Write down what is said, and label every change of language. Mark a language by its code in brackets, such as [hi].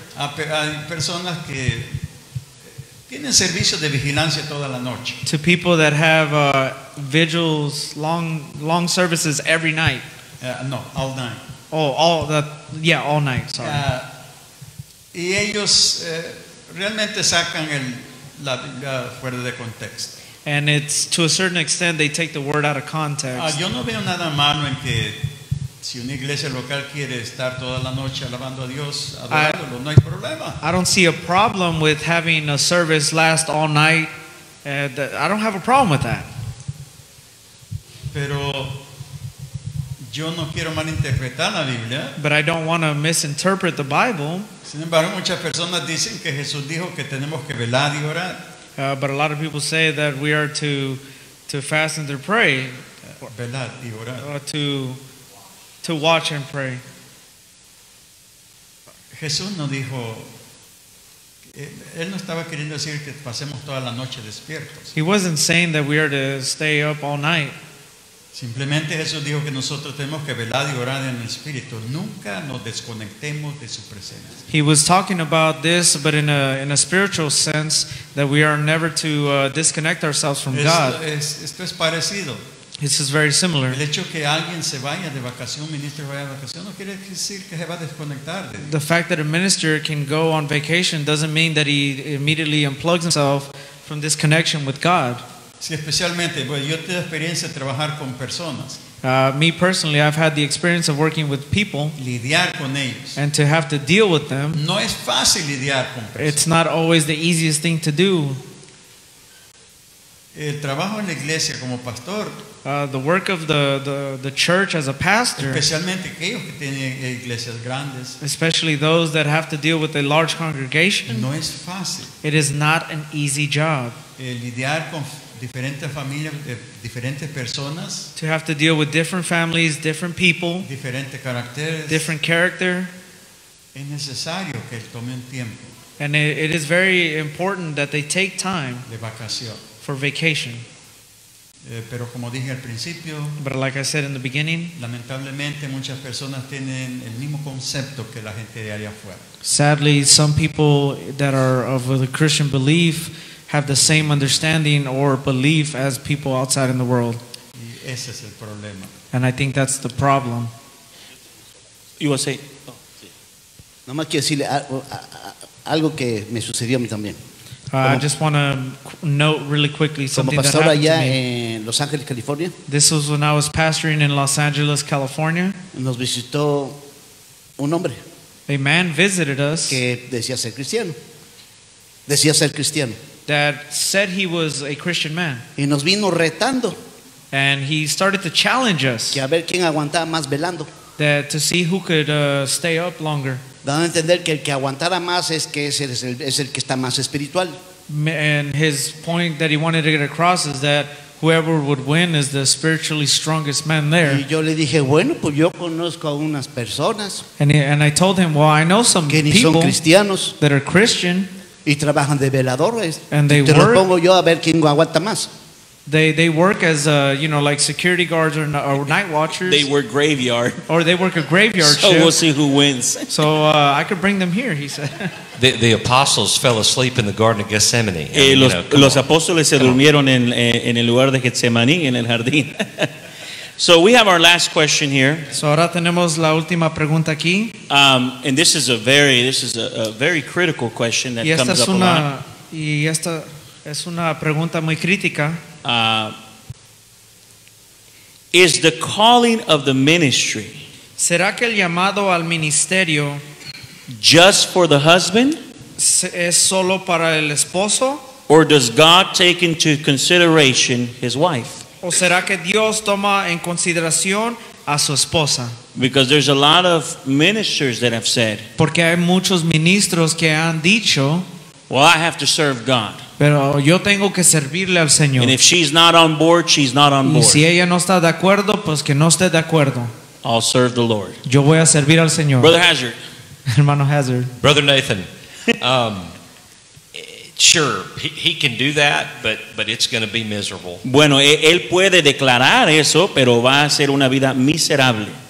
[es] A personas que tienen servicio de vigilancia toda la noche. [en] To people that have vigils, long services every night. No, all night. Oh, all that. Yeah, all night. Sorry. [es] Y ellos realmente sacan la Biblia fuera de contexto. [en] And it's to a certain extent they take the word out of context. [es] Yo no veo nada malo en que Si una iglesia local quiere estar toda la noche alabando a Dios, adorándolo, no hay problema. [en] I don't see a problem with having a service last all night. I don't have a problem with that. [es] Pero yo no quiero malinterpretar la Biblia. [en] But I don't want to misinterpret the Bible. [es] Sin embargo, muchas personas dicen que Jesús dijo que tenemos que velar y orar. [en] But a lot of people say that we are to fast and to pray. [es] Velar y orar. [en] To watch and pray. [es] Jesús no dijo, él no estaba queriendo decir que pasemos toda la noche despiertos. [en] He wasn't saying that we are to stay up all night. [es] Simplemente Jesús dijo que nosotros tenemos que velar y orar en el Espíritu. Nunca nos desconectemos de su presencia. [en] He was talking about this, but in a spiritual sense, that we are never to disconnect ourselves from God. [es] Esto es parecido. [en] This is very similar. [es] El hecho que alguien se vaya de vacación, ministro vaya de vacación, no quiere decir que se va a desconectar de Dios. [en] The fact that a minister can go on vacation doesn't mean that he immediately unplugs himself from this connection with God. [es] Sí, especialmente, bueno, yo tengo experiencia de trabajar con personas. [en] Me personally, I've had the experience of working with people. [es] Lidiar con ellos. [en] And to have to deal with them. [es] No es fácil lidiar con personas. [en] It's not always the easiest thing to do. [es] El trabajo en la iglesia como pastor. [en] The work of the church as a pastor, [es] especialmente aquellos que tienen iglesias grandes, [en] especially those that have to deal with a large congregation, [es] no es fácil. [en] It is not an easy job. [es] Lidiar con diferentes familias, diferentes personas, [en] to have to deal with different families, different people, [es] diferentes caracteres, [en] different character, [es] es necesario que él tome un tiempo. [en] And it is very important that they take time [es] de vacación. [en] For vacation. [es] Pero como dije al principio, [en] but like I said in the beginning, [es] lamentablemente muchas personas tienen el mismo concepto que la gente de allá afuera. [en] Sadly, some people that are of the Christian belief have the same understanding or belief as people outside in the world. [es] Y ese es el problema. [en] And I think that's the problem. You will say, [es] no más quiero decirle algo que me sucedió a mí también. [en] I just want to note really quickly something that happened [es] allá [en] to me. [es] En Los Ángeles, California. [en] This was when I was pastoring in Los Angeles, California. [es] Nos visitó un hombre. [en] A man visited us. [es] Que decía ser cristiano. Decía ser cristiano. [en] That said he was a Christian man. [es] Y nos vino retando. [en] And he started to challenge us. [es] Que a ver quién aguantaba más velando. [en] That to see who could stay up longer. [es] Dando a entender que el que aguantara más es que es el que está más espiritual. [en] And his point that he wanted to get across is that whoever would win is the spiritually strongest man there. [es] Y yo le dije, bueno, pues yo conozco a unas personas. [en] And I told him, well, I know some [es] que ni son cristianos. [en] That are Christian. [es] Y trabajan de veladores. [en] And they [es] y te [en] work. [es] Lo pongo yo a ver quién aguanta más. [en] They work as like security guards or night watchers. They work graveyard. Or they work a graveyard shift. So we'll see who wins. So I could bring them here, he said. The apostles fell asleep in the Garden of Gethsemane. I [es] mean, los apóstoles se durmieron en el lugar de Getsemaní, en el jardín. [en] So we have our last question here. [es] So ahora tenemos la última pregunta aquí. [en] And this is a very critical question that comes up a lot. [es] Y esta es una pregunta muy crítica. [en] Is the calling of the ministry, [es] ¿será que el llamado al ministerio, [en] just for the husband, [es] es solo para el esposo, [en] or does God take into consideration his wife? [es] ¿O será que Dios toma en consideración a su esposa? [en] Because there's a lot of ministers that have said, [es] porque hay muchos ministros que han dicho, [en] well, I have to serve God. [es] Pero yo tengo que servirle al Señor. [en] And if she's not on board, she's not on board. [es] Y si ella no está de acuerdo, pues que no esté de acuerdo. [en] I'll serve the Lord. [es] Yo voy a servir al Señor. [en] Brother Hazard. [es] Hermano Hazard. [en] Brother Nathan. Sure, he can do that, but it's going to be miserable. [es] Bueno, él puede declarar eso, pero va a ser una vida miserable.